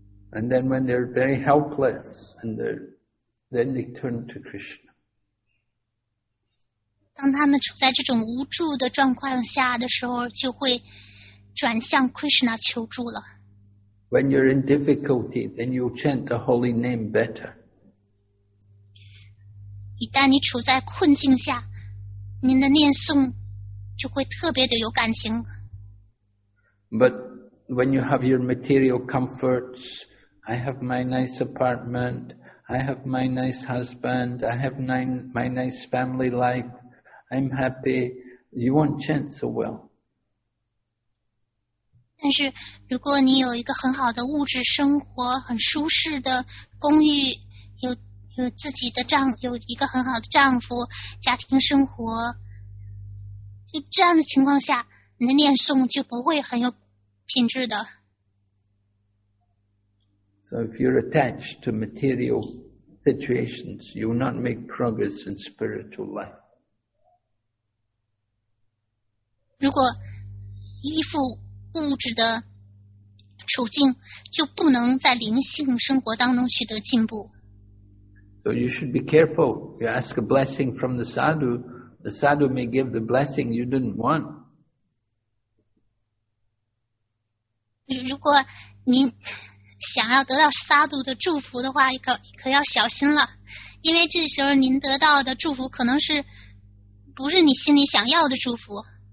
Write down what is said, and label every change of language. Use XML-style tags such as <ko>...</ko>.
<en>And then when they're very helpless, and then they turn to Krishna.</en> <zh>当他们处在这种无助的状况下的时候，就会转向 Krishna 求助了。</zh> <en>When you're in difficulty, then you chant the holy name better.</en> <zh>一旦你处在困境下，您的念诵就会特别的有感情。</zh> <en>But when you have your material comforts, I have my nice apartment, I have my nice husband, I have my nice family life, I'm happy, you won't chant so well.</en> <zh>但是如果你有一个很好的物质生活，很舒适的公寓，有自己的丈夫，有一个很好的丈夫，家庭生活，就这样的情况下，你的念诵就不会很有品质的。</zh> <en>So if you're attached to material situations, you will not make progress in spiritual life.</en> <zh>如果依附物质的处境，就不能在灵性生活当中取得进步。</zh> <en>So you should be careful. You ask a blessing from the sadhu. The sadhu may give the blessing you didn't want.</en> <zh>如果您想要得到沙度的祝福的话，可要小心了，因为这时候您得到的祝福可能是不是你心里想要的祝福。</zh>